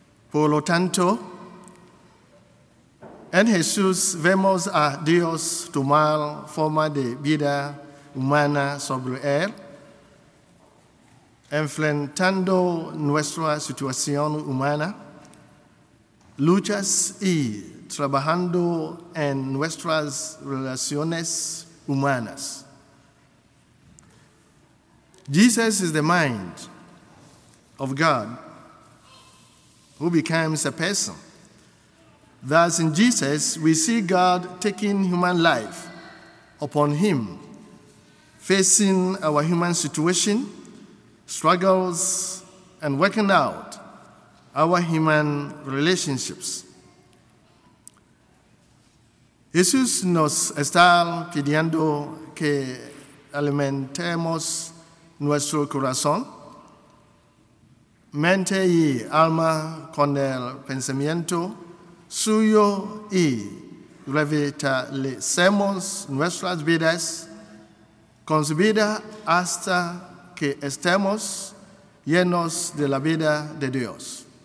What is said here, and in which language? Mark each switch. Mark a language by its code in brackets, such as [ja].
[es] Por lo tanto, en Jesús vemos a Dios tomar forma de vida humana sobre él, enfrentando nuestra situación humana, luchas y trabajando en nuestras relaciones humanas. [en] Jesus is the mind of God who becomes a person. Thus, in Jesus, we see God taking human life upon him, facing our human situation, struggles, and working out our human relationships. [es] Jesús nos está pidiendo que alimentemos nuestro corazón, mente y alma con el pensamiento suyo y revitalicemos nuestras vidas con su vida hasta que estemos llenos de la vida de Dios.